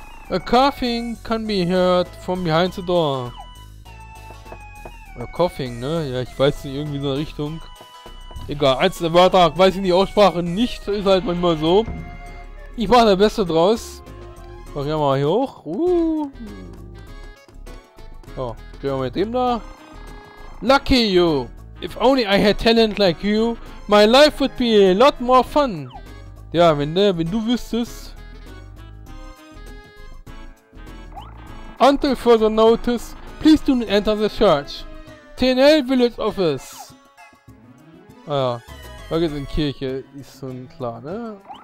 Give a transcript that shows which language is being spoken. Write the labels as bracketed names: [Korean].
[English] A coughing can be heard from behind the door. A coughing, ne? [German] Ja, ich weiß nicht, irgendwie so eine Richtung. Egal, eins der Wörter, weiß ich die Aussprache nicht, ist halt manchmal so. Ich mache das Beste draus. Mach ja mal hier hoch. So, gehen wir mit dem da. [English] Lucky you! If only I had talent like you, my life would be a lot more fun. [German] Ja, wenn du wüsstest. [English] Until further notice, please do not enter the church. TNL Village Office. [German] Ah ja, da geht's in Kirche, ist schon klar, ne?